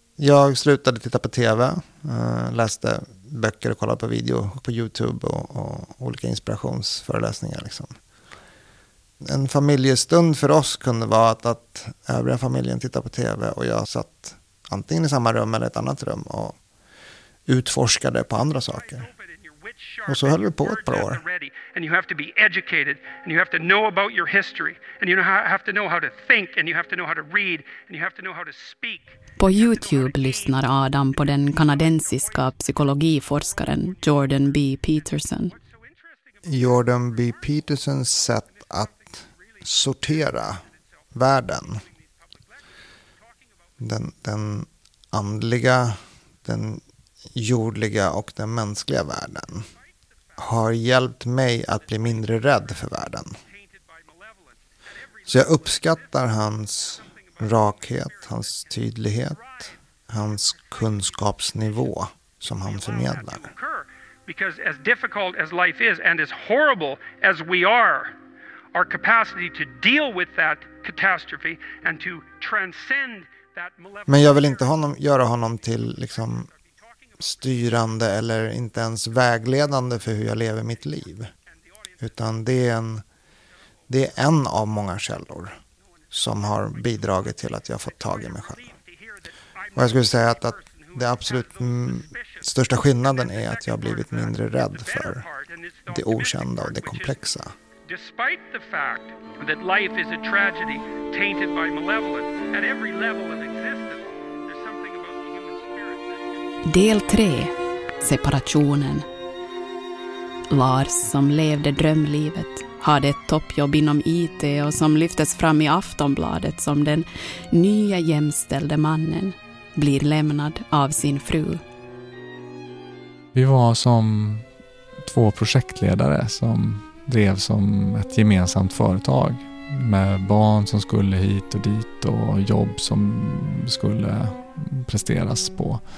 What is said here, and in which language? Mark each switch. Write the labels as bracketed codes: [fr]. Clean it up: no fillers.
[sv] Jag slutade titta på tv. Läste böcker och kollade på video på YouTube och olika inspirationsföreläsningar liksom. En familjestund för oss kunde vara att övriga familjen tittade på tv och jag satt antingen i samma rum eller ett annat rum och utforskade på andra saker. Och så höll vi på ett par år. [en] And you have to be educated and you have to know about your history and you have to know how to think and you have to know how to read and you have to know how to speak. [sv] På YouTube lyssnar Adam på den kanadensiska psykologiforskaren Jordan B. Peterson. Jordan B. Petersons sätt att sortera världen. Den andliga, den jordliga och den mänskliga världen har hjälpt mig att bli mindre rädd för världen. Så jag uppskattar hans rakhet, hans tydlighet, hans kunskapsnivå som han förmedlar. [en] Because as difficult as life is and as horrible as we are, our capacity to deal with that catastrophe and to transcend. [sv] Men jag vill inte göra honom till liksom styrande eller inte ens vägledande för hur jag lever mitt liv. Utan det är en av många källor som har bidragit till att jag fått tag i mig själv. Och jag skulle säga att det absolut största skillnaden är att jag har blivit mindre rädd för det okända och det komplexa. [en] Despite the fact that life is a tragedy tainted by malevolence at every level of existence, there's something about the human spirit. [sv] Del 3. Separationen. Lars, som levde drömlivet, hade ett toppjobb inom IT och som lyftes fram i Aftonbladet som den nya jämställde mannen, blir lämnad av sin fru. Vi var som två projektledare som drev som ett gemensamt företag med barn som skulle hit och dit och jobb som skulle presteras på.